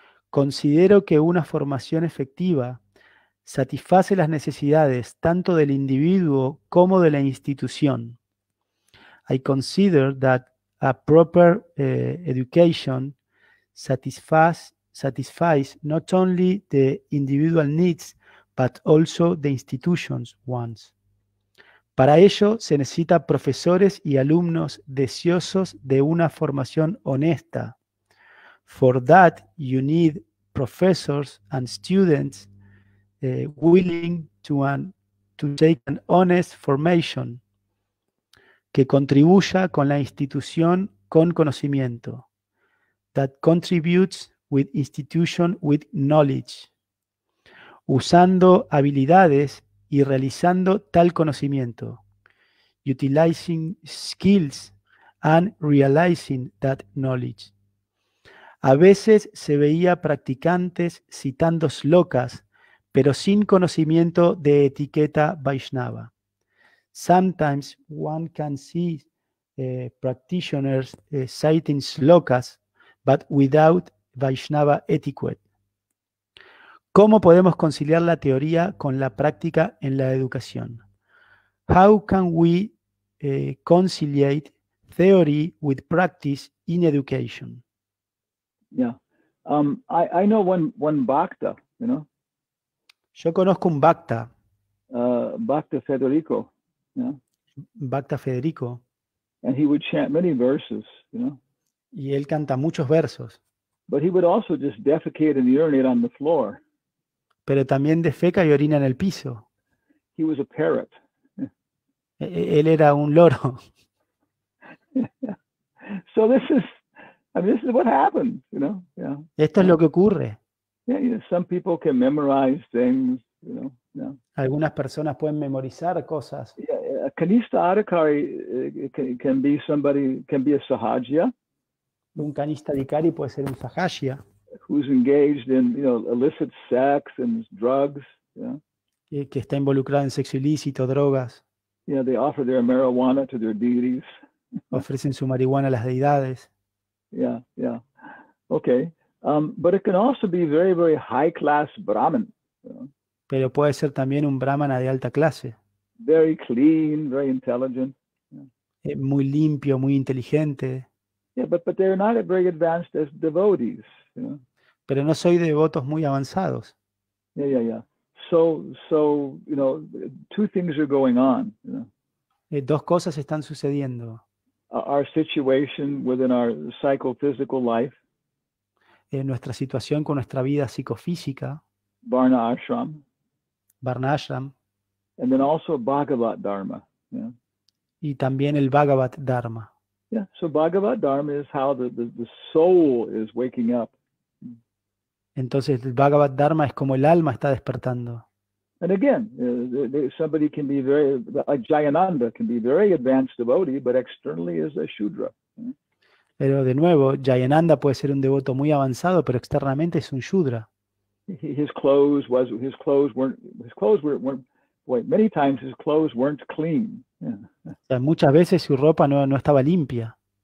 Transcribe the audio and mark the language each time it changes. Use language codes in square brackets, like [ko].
[es] Considero que una formación efectiva satisface las necesidades tanto del individuo como de la institución. [en] I consider that a proper education satisfies not only the individual needs, but also the institution's wants. [es] Para ello se necesita profesores y alumnos deseosos de una formación honesta. [en] For that, you need professors and students willing to take an honest formation [es] que contribuya con la institución con conocimiento. [en] That contributes with institution with knowledge. [es] Usando habilidades y realizando tal conocimiento, [en] utilizing skills and realizing that knowledge. [es] A veces se veía practicantes citando slokas, pero sin conocimiento de etiqueta Vaishnava. [en] Sometimes one can see practitioners citing slokas, but without Vaishnava etiquette. [es] ¿Cómo podemos conciliar la teoría con la práctica en la educación? [en] How can we conciliate theory with practice in education? I know one Bhakta, [es] Yo conozco un Bhakta. [en] Bhakta Federico, [es] Bhakta Federico. [en] and he would chant many verses, [es] Y él canta muchos versos. [en] but he would also just defecate and urinate on the floor. [es] Pero también defeca y orina en el piso. [en] He was a parrot. [es] Él era un loro. [en] So this is, I mean, this is what happens, [es] Esto es lo que ocurre. [en] Some people can memorize things, [es] Algunas personas pueden memorizar cosas. [en] A kanista adhikari can be somebody, can be a sahajya, [es] Un kanista adhikari puede ser un sahajya. [en] who's engaged in, illicit sex and drugs, [es] Que está involucrado en sexo ilícito, drogas. [en] they offer their marijuana to their deities. [es] Ofrecen su marihuana a las deidades. [en] But it can also be very, very high class Brahmin, [es] Pero puede ser también un brahmana de alta clase. [en] Very clean, very intelligent. [es] Muy limpio, muy inteligente. [en] But they're not very advanced as devotees, [es] Pero no soy de devotos muy avanzados. [en] Two things are going on, [es] Dos cosas están sucediendo. [en] Our situation within our psychophysical life, [es] Nuestra situación con nuestra vida psicofísica, [en] Varna Ashram, [es] Varnashram, [en] and then also Bhagavad Dharma. [es] y también el Bhagavad Dharma. [en] So Bhagavad Dharma is how the soul is waking up. [es] Entonces, el Bhagavad Dharma es como el alma está despertando. [en] And again, somebody can be very, a Jayananda can be very advanced devotee, but externally is a Shudra. [es] Pero de nuevo, Jayananda puede ser un devoto muy avanzado, pero externamente es un shudra. [en] His clothes was his clothes weren't his clothes were weren't wait, many times his clothes weren't clean. [es] Sea, muchas veces su ropa no estaba limpia.